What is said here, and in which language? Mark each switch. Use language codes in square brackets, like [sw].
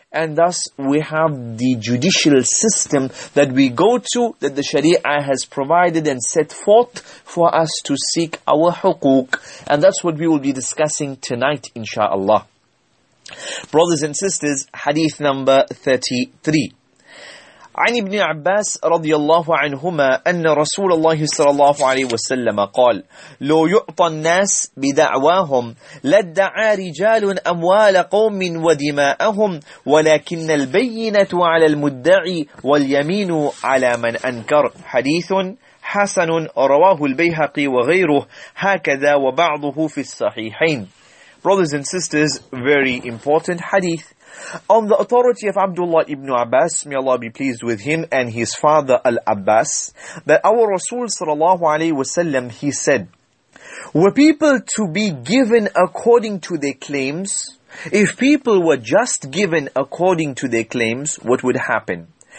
[en] And thus, we have the judicial system that we go to, that the Sharia has provided and set forth for us to seek our huquq. And that's what we will be discussing tonight, insha'Allah. Brothers and sisters, hadith number 33. [ar] عن ابن عباس رضي الله عنهما أن رسول الله صلى الله عليه وسلم قال لو يعطى الناس بدعواهم لدعى رجال أموال قوم ودماءهم ولكن البينة على المدعي واليمين على من أنكر حديث حسن رواه البيهقي وغيره هكذا وبعضه في الصحيحين. [en] Brothers and sisters, very important hadith. On the authority of Abdullah ibn Abbas, may Allah be pleased with him and his father Al-Abbas, that our Rasul sallallahu alayhi wasallam, he said, were people to be given according to their claims, if people were just given according to their claims, what would happen?